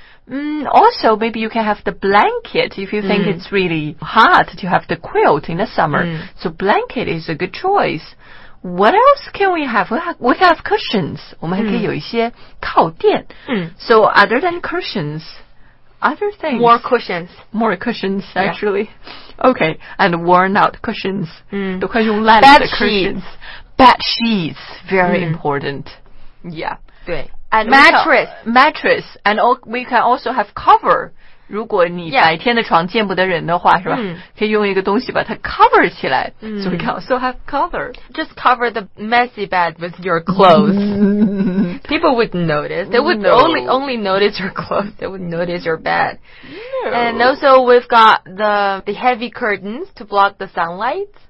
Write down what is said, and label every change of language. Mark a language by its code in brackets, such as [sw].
[en] Also, maybe you can have the blanket if you think it's really hot to have the quilt in the summer. So blanket is a good choice. What else can we have? We have cushions. [zh] 我们还可以有一些靠垫。 [en] So other than cushions, other things. More cushions, actually. Yeah. Okay, and worn out cushions. [zh] 都快用烂了的 [en] cushions. Bed sheets, very important. Yeah. 对。And mattress, and all, we can also have cover. [zh] 如果你白天的床见不得人的话，是吧？可以用一个东西把它 cover 起来。 [en] So we can also have cover. Just cover the messy bed with your clothes. People wouldn't notice. They would only notice your clothes. They wouldn't notice your bed. And also, we've got the heavy curtains to block the sunlight.